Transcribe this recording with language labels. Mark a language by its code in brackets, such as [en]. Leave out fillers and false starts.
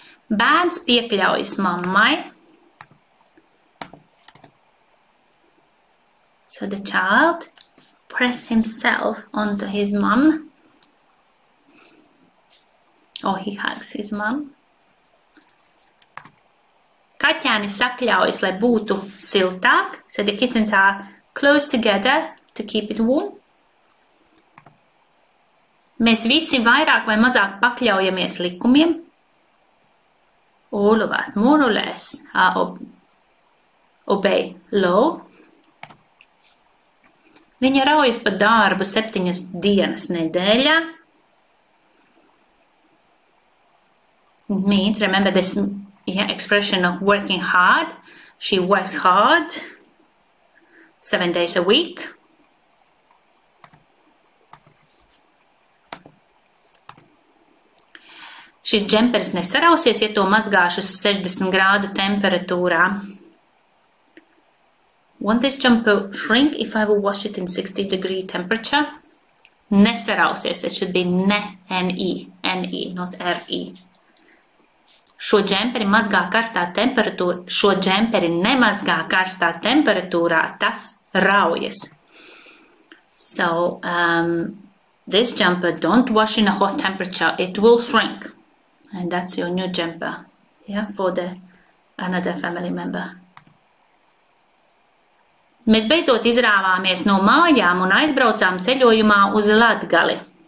[lv] Bērns piekļaujas mammai. [en] So the child press himself onto his mom. Or he hugs his mom. [lv] Kaķēnis sakļaujas, lai būtu siltāk. [en] So the kittens are close together to keep it warm. [lv] Mēs visi vairāk vai mazāk pakļaujamies likumiem. [en] All of us, more or less, obey law. [lv] Viņa raujas pa darbu 7 dienas nedēļā. [en] It means, remember this expression of working hard. She works hard 7 days a week. [lv] Šis džemperis nesarausies, ja to mazgāšu 60 grādu temperatūrā. [en] Won't this jumper shrink if I will wash it in 60 degree temperature? Nesarausies, it should be ne, N-E, N-E, not R-E. [lv] Šo džemperi mazgā karstā temperatūrā, šo džemperi nemazgā karstā temperatūrā, tas raujas. [en] So, this jumper don't wash in a hot temperature, it will shrink. And that's your new jumper, yeah, for the another family member. [lv] Mēs beidzot izrāvāmies no mājām un aizbraucām ceļojumā uz Latgali.